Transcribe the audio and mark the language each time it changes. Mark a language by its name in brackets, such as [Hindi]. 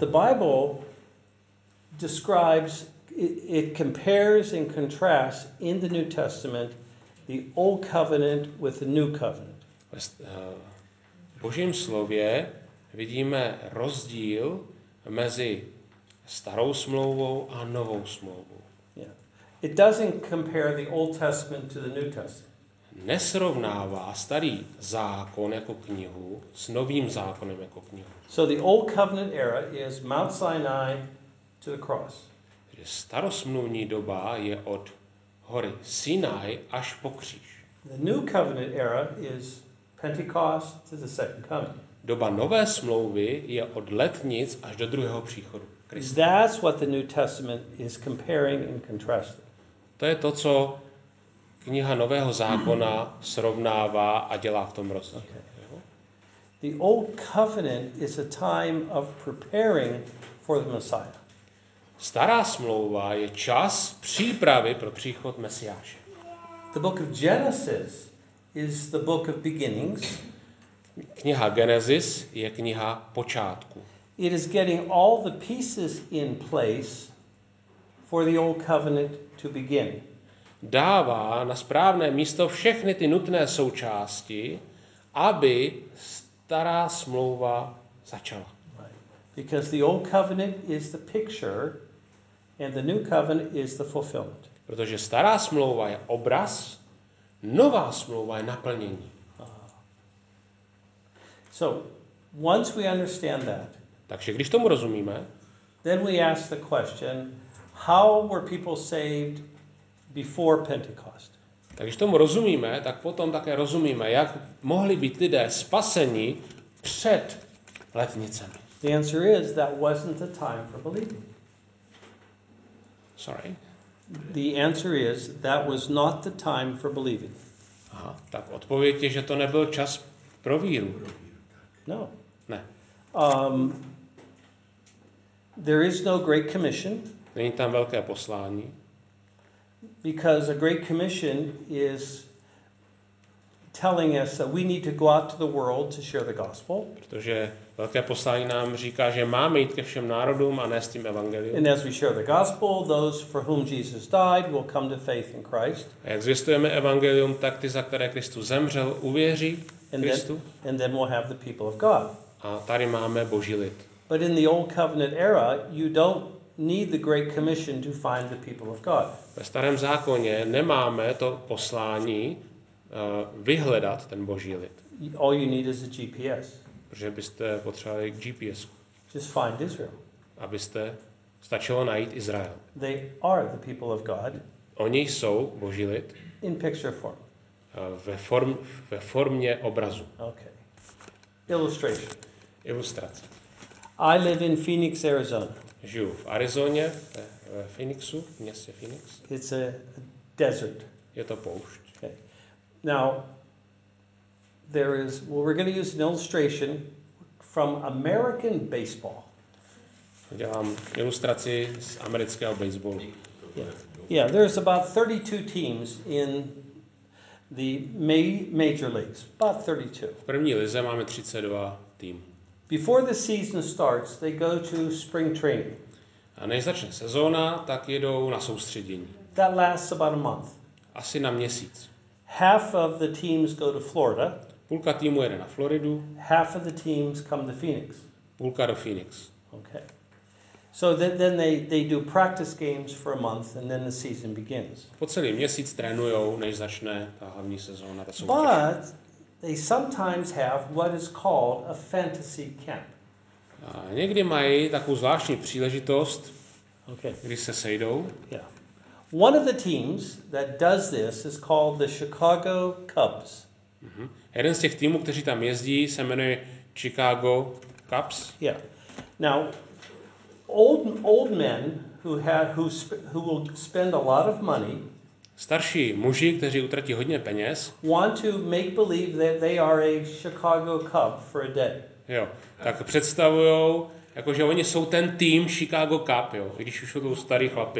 [English] The Bible describes it compares and contrasts in the New Testament the old covenant with the new covenant. [Czech] V Božím slově vidíme rozdíl mezi starou smlouvou a novou smlouvou. [English] Yeah. It doesn't compare the Old Testament to the New Testament. [Czech] Nesrovnává starý zákon jako knihu s novým zákonem jako knihu. [English] So the Old Covenant era is Mount Sinai to the cross. [Czech] Starosmluvní doba je od hory Sinai až po kříž. [English] The New Covenant era is Pentecost to the second coming. [Czech] Doba nové smlouvy je od letnic až do druhého příchodu. [English] That's what the New Testament is comparing and contrasting. [Czech] To je to, co kniha Nového zákona srovnává a dělá v tom rozdíl. [English] Okay. The Old Covenant is a time of preparing for the Messiah. [Czech] Stará smlouva je čas přípravy pro příchod Mesiáše. [English] The book of Genesis is the book of beginnings. [Czech] Kniha Genesis je kniha počátku. [English] It is getting all the pieces in place for the old covenant to begin. [Czech] Dává na správné místo všechny ty nutné součásti, aby stará smlouva začala. [English] Because the old covenant is the picture and the new covenant is the fulfillment. [Czech] Protože stará smlouva je obraz, nová smlouva je naplnění. [English] So, once we understand that, [Czech] takže když tomu rozumíme, [English] then we ask the question, how were people saved before Pentecost? [Czech] Tak když tomu rozumíme, tak potom také rozumíme, jak mohli být lidé spaseni před letnicemi. [English] The answer is that wasn't the time for believing. Sorry. The answer is that was not the time for believing. [Czech] Aha, tak odpověď je, že to nebyl čas pro víru. [English] No. [Czech] Ne. [English] There is no great commission. [Czech] Není tam velké poslání. [English] Because a great commission is telling us that we need to go out to the world to share the gospel. [Czech] Protože velké poslání nám říká, že máme jít ke všem národům a nést jim evangelium. [English] And as we share the gospel, those for whom Jesus died will come to faith in Christ. [Czech] A jak zvěstujeme evangelium, tak ty, za které Kristus zemřel, uvěří Kristu. [English] And then we'll have the people of God. [Czech] A tady máme Boží lid. [English] But in the old covenant era, you don't need the great commission to find the people of God. [Czech] Ve starém zákoně nemáme to poslání vyhledat ten Boží lid. [English] All you need is a GPS. [Czech] Protože byste potřebovali GPS. [English] Just find Israel. [Czech] Abyste stačilo najít Izrael. [English] They are the people of God. [Czech] Oni jsou Boží lid. [English] In picture form. [Czech] Ve formě obrazu. [English] Okay. Illustration. [Czech] Ilustrace. [English] I live in Phoenix, Arizona. [Czech] Žiju v Arizoně, v Phoenixu, městě Phoenix. [English] It's a desert. [Czech] Je to poušť. [English] Okay. Now, there is, well, we're going to use an illustration from American baseball. [Czech] Dělám ilustraci z amerického baseballu. [English] Yeah, there's about 32 teams in the major leagues, about 32. [Czech] V první lize máme 32 týmů. [English] Before the season starts, they go to spring training. [Czech] A než začne sezóna, tak jedou na soustředění. [English] That lasts about a month. [Czech] Asi na měsíc. [English] Half of the teams go to Florida. [Czech] Půlka týmu jede na Floridu. [English] Half of the teams come to Phoenix. [Czech] Půlka do Phoenix. [English] Okay. So then they do practice games for a month and then the season begins. [Czech] Po celý měsíc trénujou, než začne ta hlavní sezóna, ta soutěž. [English] But they sometimes have what is called a fantasy camp. [Czech] A někdy mají takovou zvláštní příležitost, [English] okay, [Czech] kdy se sejdou. [English] Yeah. One of the teams that does this is called the Chicago Cubs. Mm-hmm. [Czech] Jeden z těch týmů, kteří tam jezdí, se jmenuje Chicago Cubs. [English] Yeah. Now, old men who will spend a lot of money. [Czech] Starší muži, kteří utratí hodně peněz, [English] want to make believe that they are a Chicago Cub for a day. [Czech] Jo, tak představujou, jakože oni jsou ten tým Chicago Cub, jo, když už jsou starý chlapi,